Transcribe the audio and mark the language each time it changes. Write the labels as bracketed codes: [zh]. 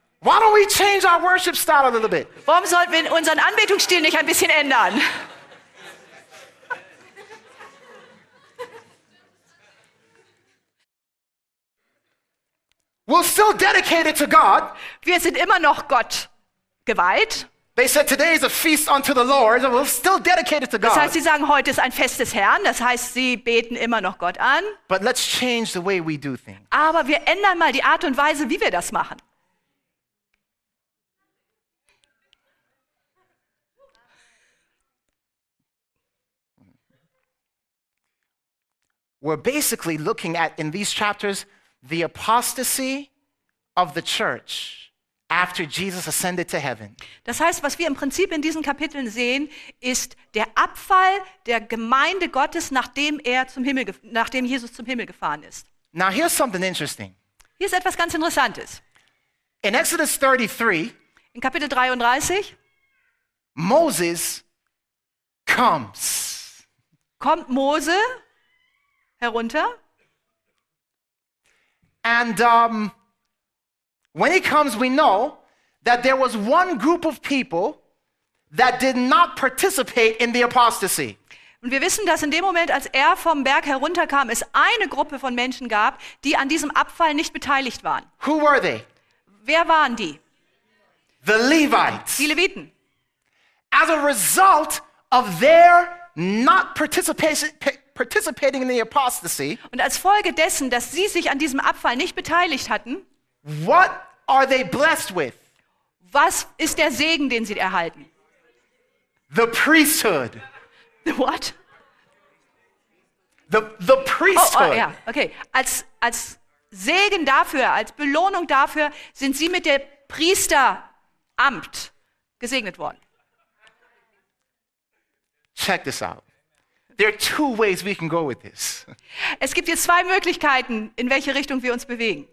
[en] why don't we change our worship style a little bit? [de] Warum sollten wir unseren Anbetungsstil nicht ein bisschen ändern? [en] We're still dedicated to God. [de] Wir sind immer noch Gott geweiht. [en] They said today is a feast unto the Lord. And we're still dedicated to God. [de] Das heißt, sie sagen, heute ist ein Fest des Herrn. Das heißt, sie beten immer noch Gott an. [en] But let's change the way we do things. [de] Aber wir ändern mal die Art und Weise, wie wir das machen. [en] We're basically looking at in these chapters the apostasy of the church after Jesus ascended to heaven. [de] Das heißt, was wir im Prinzip in diesen Kapiteln sehen, ist der Abfall der Gemeinde Gottes, nachdem Jesus zum Himmel gefahren ist. [en] Now here's something interesting. [de] Hier ist etwas ganz Interessantes. [en] In Exodus 33, [de] in Kapitel 33, [en] Moses comes. [de] Kommt Mose herunter. [en] And when he comes, we know that there was one group of people that did not participate in the apostasy. [de] Und wir wissen, dass in dem Moment, als er vom Berg herunterkam, es eine Gruppe von Menschen gab, die an diesem Abfall nicht beteiligt waren. [en] Who were they? [de] Wer waren die? [en] The Levites. [de] Die Leviten. [en] As a result of their not participating in the apostasy. [de] Und als Folge dessen, dass sie sich an diesem Abfall nicht beteiligt hatten, [en] what are they blessed with? [de] Was ist der Segen, den sie erhalten? [en] The priesthood. The what? The priesthood. [de] Oh, ja, okay. Als Segen dafür, als Belohnung dafür, sind sie mit dem Priesteramt gesegnet worden. [en] Check this out. There are two ways we can go with this. [de] Es gibt jetzt zwei Möglichkeiten, in welche Richtung wir uns bewegen.